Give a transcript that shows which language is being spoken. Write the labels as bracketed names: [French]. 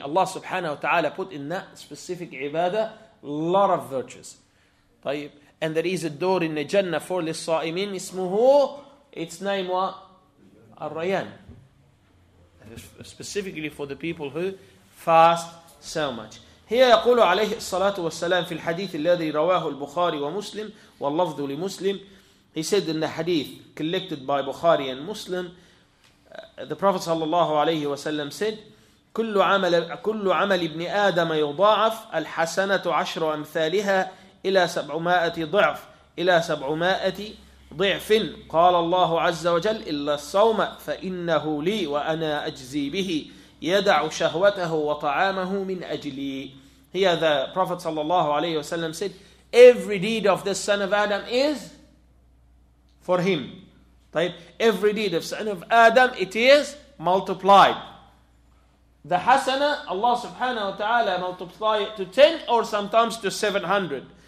[English] Allah subhanahu wa ta'ala put in that specific ibadah a lot of virtues. طيب. And there is a door in the Jannah for the Sa'imin, [Arabic] ismuhu, [English] its name wa Ar-Rayyan. Specifically for the people who fast so much. Here [Arabic] يقول عليه الصلاة والسلام في الحديث الذي رواه البخاري ومسلم واللفظ لمسلم. [English] He said in the hadith collected by Bukhari and Muslim, the Prophet [Arabic] صلى الله عليه وسلم [English] said, [Arabic] كل عمل ابن آدم يضاعف الحسنة عشر أمثالها إلى 700 ضعف إلى 700 ضعف. قال الله عز وجل إلا الصوم فإنه لي وأنا أجزي به يدع شهوته وطعامه من أجلي. [English] Here the Prophet صلى الله عليه وسلم said, every deed of the son of Adam is for him. طيب, every deed of son of Adam, it is multiplied. The hasana, Allah subhanahu wa ta'ala multiply it to 10 or sometimes to 700.